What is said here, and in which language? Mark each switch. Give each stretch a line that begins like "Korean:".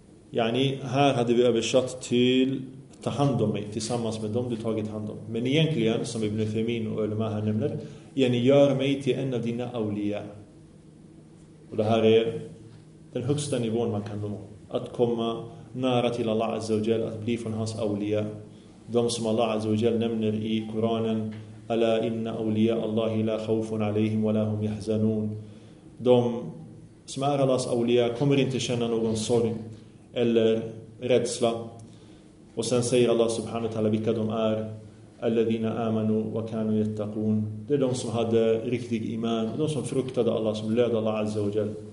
Swedish: Yani, här hade vi översatt till ta hand om mig tillsammans med dem du tagit hand om. Men egentligen, som Ibn Uthaymin och Ulema här nämner, yani, gör mig till en av dina awliya. Och det här är den högsta nivån man kan nå. Att komma nära till Allah Azza wa Jal, att bli från hans awliya. De som Allah Azza wa Jal nämner i Koranen,
Arabic: أَلَا إِنَّ أَوْلِيَا اللَّهِ لَا خَوْفٌ عَلَيْهِمْ وَلَا هُمْ يَحْزَنُونَ.
Swedish: De som är Allahs awliya kommer inte känna någon sorg eller rädsla. Och sen säger Allah subhanahu wa ta'ala vilka de är.
Arabic: Alladhina amanu wa kanu yattaqun.
Swedish: Det är de som hade riktig iman, de som fruktade Allah, som lödde Allah Azza wa Jal.